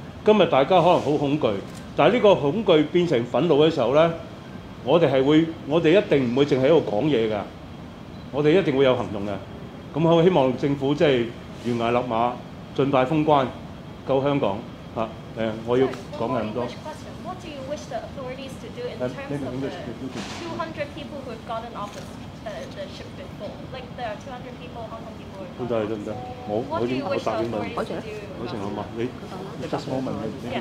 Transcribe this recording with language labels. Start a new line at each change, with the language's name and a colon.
Cantonese: 今日大家可能好恐懼，但係呢個恐懼變成憤怒嘅時候咧，我哋一定唔會淨係喺度講嘢嘅，我哋一定會有行動嘅。咁我希望政府即係懸崖勒馬，盡快封關，救香港嚇！我要講嘅咁多。
English: What do you wish the authorities to do in terms of the 200 people who have gotten off the ship before? Like there are 200 people, Hong Kong people.
Cantonese: 得唔得？我已經答應問，我成日問你，你質我問你。